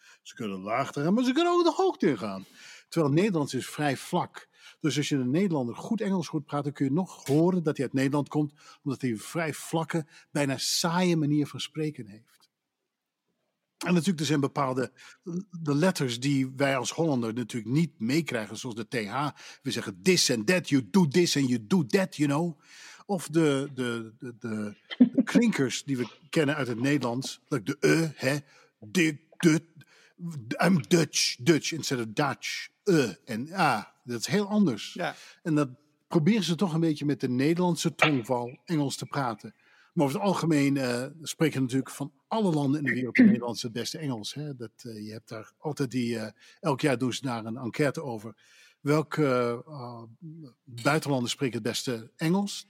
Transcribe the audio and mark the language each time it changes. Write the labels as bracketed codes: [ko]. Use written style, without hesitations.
[nl] Ze kunnen lager gaan, maar ze kunnen ook de hoogte in gaan. Terwijl Nederlands is vrij vlak. Dus als je een Nederlander goed Engels hoort praten, dan kun je nog horen dat hij uit Nederland komt, omdat hij een vrij vlakke, bijna saaie manier van spreken heeft. En natuurlijk, er zijn bepaalde de letters die wij als Hollander natuurlijk niet meekrijgen, zoals de TH. [en] We zeggen this and that, you do this and you do that, you know. [nl] Of de klinkers die we kennen uit het Nederlands. Like de hè, dik, dut. [en] I'm Dutch instead of Dutch. [nl] Dat is heel anders. Ja. En dat proberen ze toch een beetje met de Nederlandse tongval Engels te praten. Maar over het algemeen spreken natuurlijk van alle landen in de wereld de Nederlands het beste Engels. Hè? Dat, je hebt daar altijd die, elk jaar doen ze daar een enquête over. Welke buitenlanders spreken het beste Engels?